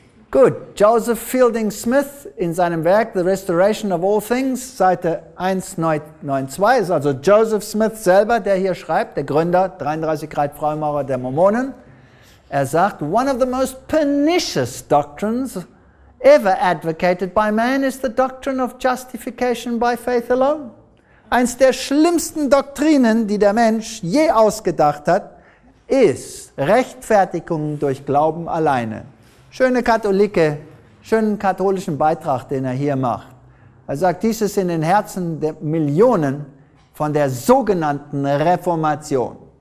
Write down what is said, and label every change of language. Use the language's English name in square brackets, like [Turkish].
[German] Gut, Joseph Fielding Smith in seinem Werk The Restoration of All Things, Seite 192, ist also Joseph Smith selber, der hier schreibt, der Gründer, 33 Grad Freimaurer der Mormonen. Er sagt, [English] one of the most pernicious doctrines ever advocated by man is the doctrine of justification by faith alone. [German] Eins der schlimmsten Doktrinen, die der Mensch je ausgedacht hat, ist Rechtfertigung durch Glauben alleine. Schöne Katholike, schönen katholischen Beitrag, den er hier macht. Er sagt, dies ist in den Herzen der Millionen von der sogenannten Reformation.